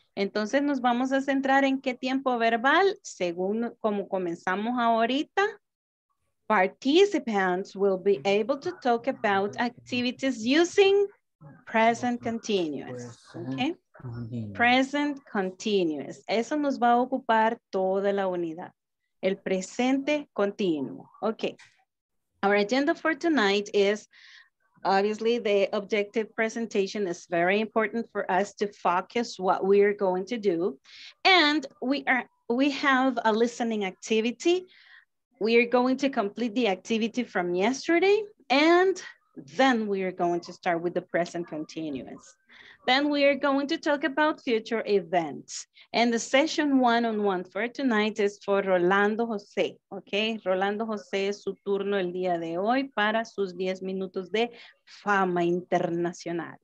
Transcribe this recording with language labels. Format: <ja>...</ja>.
<es>Entonces nos vamos a centrar en qué tiempo verbal, según como comenzamos ahorita.</es> <en>Participants will be able to talk about activities using present continuous. ¿Ok? Present continuous.</en> <es>Eso nos va a ocupar toda la unidad. El presente continuo. Okay.</es> <en>Our agenda for tonight is obviously the objective presentation is very important for us to focus what we are going to do. And we have a listening activity. We are going to complete the activity from yesterday. And then we are going to start with the present continuous. Then we are going to talk about future events. And the session one-on-one for tonight is for Rolando Jose.</en> <es>Okay, Rolando Jose es su turno el día de hoy para sus 10 minutos de fama internacional.</es>